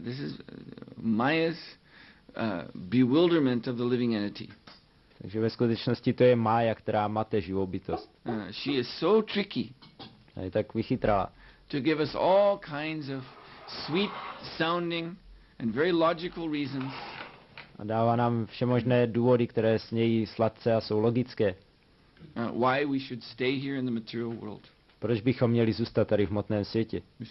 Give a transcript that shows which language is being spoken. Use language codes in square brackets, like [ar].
[en] This is Maya's bewilderment of the living entity. [cs] Takže ve skutečnosti to je Maya, která mate živobytost. [en] She is so tricky. [cs] A je tak vychytrala. [en] To give us all kinds of sweet sounding and very logical reasons. [cs] A dává nám všemožné důvody, které znějí sladce a jsou logické. [en] Why we should stay here in the material world? [cs] Proč bychom měli zůstat tady v hmotném světě?